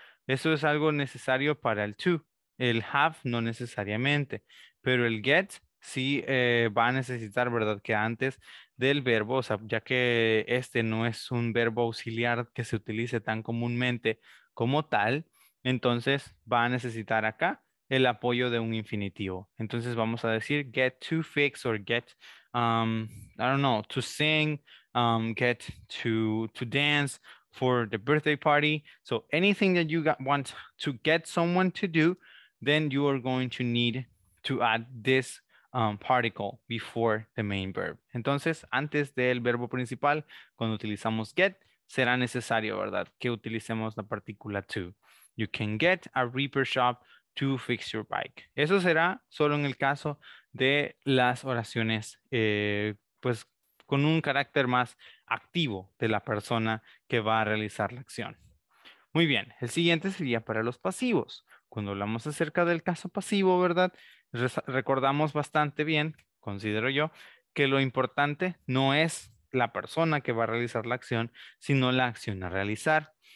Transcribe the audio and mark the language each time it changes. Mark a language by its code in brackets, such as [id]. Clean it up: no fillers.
[es] Eso es algo necesario para el to. El have no necesariamente, pero el get sí va a necesitar, ¿verdad?, que antes del verbo, o sea, ya que este no es un verbo auxiliar que se utilice tan comúnmente como tal, entonces va a necesitar acá el apoyo de un infinitivo. Entonces vamos a decir [en] get to fix or get, I don't know, to sing, get to dance for the birthday party. So anything that you want to get someone to do, then you are going to need to add this particle before the main verb. [es] Entonces, antes del verbo principal, cuando utilizamos get, será necesario, ¿verdad?, que utilicemos la partícula to. [en] You can get a repair shop to fix your bike. [es] Eso será solo en el caso de las oraciones, pues, con un carácter más activo de la persona que va a realizar la acción. Muy bien, el siguiente sería para los pasivos. Cuando hablamos acerca del caso pasivo, ¿verdad?, recordamos bastante bien, considero yo, que lo importante no es la persona que va a realizar la acción, sino la acción a realizar.